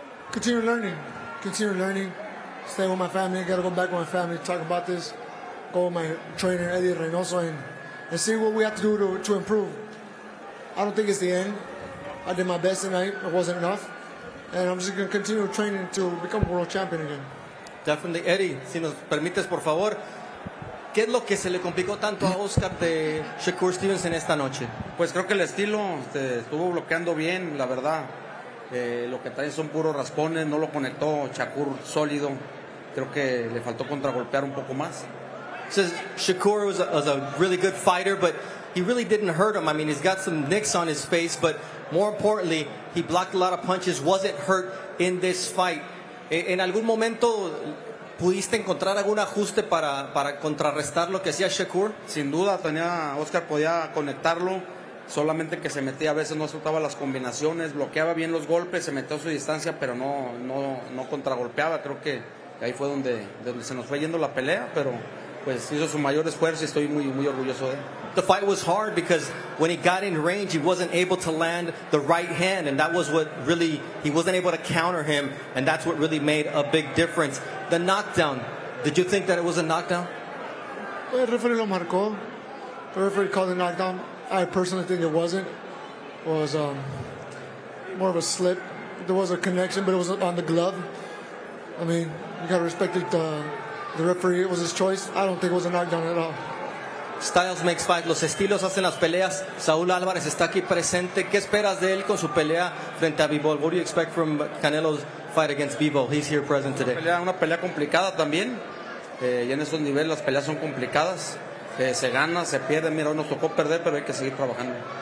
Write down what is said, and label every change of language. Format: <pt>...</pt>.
<en>Continue learning. Stay with my family. I got to go back with my family, talk about this. Go with my trainer, Eddie Reynoso, and see what we have to do to improve. I don't think it's the end. I did my best tonight. It wasn't enough. And I'm just going to continue training to become a world champion again. Definitely.</en> <es>Eddie, si nos permites, por favor, ¿qué es lo que se le complicó tanto a Oscar de Shakur Stevenson esta noche? Pues creo que el estilo se estuvo bloqueando bien, la verdad. Lo que trae son puros raspones, no lo conectó Shakur sólido. Creo que le faltó contragolpear un poco más.</es> <en>Says Shakur was a really good fighter, but he really didn't hurt him. I mean, he's got some nicks on his face, but more importantly, he blocked a lot of punches, wasn't hurt in this fight.</en> <es>¿En algún momento pudiste encontrar algún ajuste para contrarrestar lo que hacía Shakur? Sin duda, Oscar podía conectarlo, solamente que se metía a veces, no soltaba las combinaciones, bloqueaba bien los golpes, se metió a su distancia, pero no contragolpeaba. Creo que ahí fue donde se nos fue yendo la pelea, pero pues hizo su mayor esfuerzo y estoy muy, muy orgulloso de él.</es> <en>The fight was hard because when he got in range, he wasn't able to land the right hand, and that was what really, he wasn't able to counter him, and that's what really made a big difference. The knockdown, did you think that it was a knockdown? The referee</en> <es>lo marcó.</es> <en>The referee called the knockdown. I personally think it wasn't. It was more of a slip. There was a connection, but it was on the glove. I mean, you gotta respect the referee. It was his choice. I don't think it was a knockdown at all. Styles makes fight.</en> <es>Los estilos hacen las peleas. Saúl Álvarez está aquí presente. ¿Qué esperas de él con su pelea frente a Bivol?</es> <en>What do you expect from Canelo's fight against Bivol? He's here present today.</en> <es>Una pelea complicada también. Y en esos niveles las peleas son complicadas. Se gana, se pierde. Mira, hoy nos tocó perder, pero hay que seguir trabajando.</es>